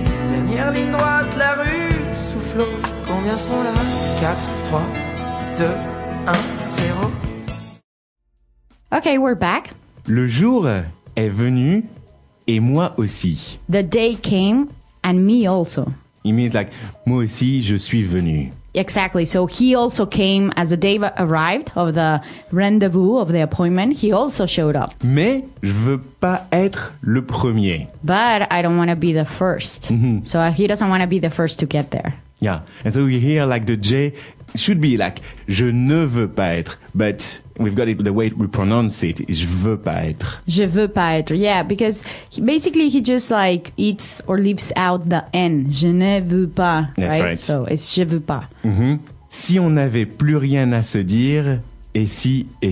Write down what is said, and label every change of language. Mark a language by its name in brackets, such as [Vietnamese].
[French] Dernière ligne droite, la rue souffle. Combien sont là? [English] 4, 3, 2, 1, 0. Ok, we're back. [French] Le jour est venu et moi aussi. [English] The day came and me also. It means like, [French] moi aussi je suis venu. [English] Exactly. So he also came as the day arrived of the rendezvous of the appointment. He also showed up. [French] Mais je veux pas être le premier. [English] But I don't want to be the first. Mm-hmm. So he doesn't want to be the first to get there. Yeah. And so we hear like the J should be like, [French] je ne veux pas être. [English] But we've got it the way we pronounce it. [French] Je veux pas être. Je veux pas être. [English] Yeah. Because basically he just like eats or leaves out the N. [French] Je ne veux pas. [English] That's right. So it's [French] je veux pas. Mm-hmm. Si on n'avait plus rien à se dire, et si.